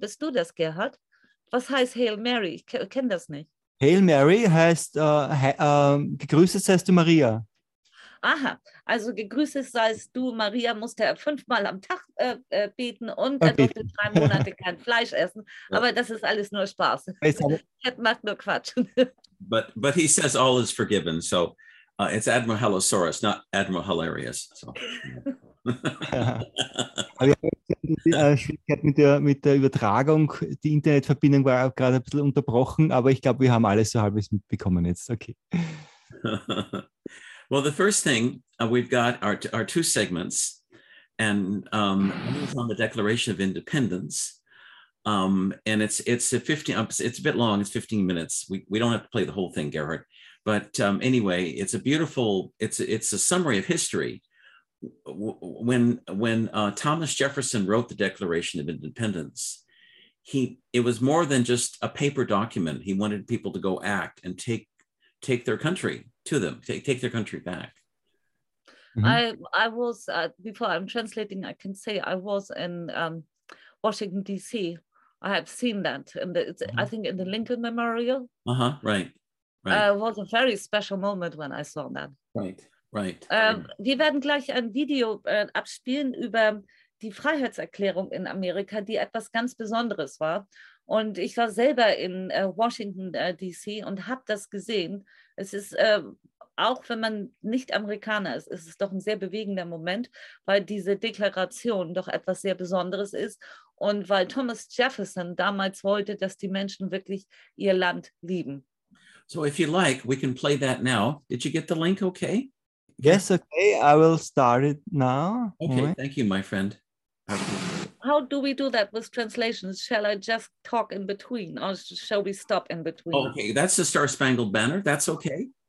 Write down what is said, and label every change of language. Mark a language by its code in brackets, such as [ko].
[de] Bist du das, Gerhard? Was heißt Hail Mary? Ich kenne das nicht. Hail Mary heißt, gegrüßet seist du Maria. Aha, also gegrüßet seist du Maria, musste er 5-mal am Tag beten und er durfte 3 Monate kein Fleisch essen. Aber das ist alles nur Spaß. Ted macht nur Quatsch. [en] But he says all is forgiven, so it's Admiral Hallosaurus, not Admiral Hilarious. So. [de] Schwierigkeit mit der Übertragung. Die Internetverbindung war auch gerade ein bisschen unterbrochen, aber ich glaube, wir haben alles so halbwegs mitbekommen jetzt. [en] Okay. Well, the first thing we've got are 2 segments, and one is on the Declaration of Independence, and it's a bit long. It's 15 minutes. We don't have to play the whole thing, Gerhard, but anyway, it's a beautiful. It's a summary of history. When Thomas Jefferson wrote the Declaration of Independence, it was more than just a paper document. He wanted people to go act and take their country to them, take their country back. Mm-hmm. I was, before I'm translating, I can say I was in Washington, D.C. I have seen that, I think in the Lincoln Memorial. Uh-huh, right. It was a very special moment when I saw that. Right. Right. [de] Wir werden gleich ein Video abspielen über die Freiheitserklärung in Amerika, die etwas ganz Besonderes war. Und ich war selber in Washington, D.C. und habe das gesehen. Es ist, auch wenn man nicht Amerikaner ist, ist es doch ein sehr bewegender Moment, weil diese Deklaration doch etwas sehr Besonderes ist. Und weil Thomas Jefferson damals wollte, dass die Menschen wirklich ihr Land lieben. [en] So if you like, we can play that now. Did you get the link okay? Yes, okay. I will start it now. Okay, thank you, my friend. How do we do that with translations? Shall I just talk in between or shall we stop in between? Okay, that's the Star Spangled Banner. That's okay.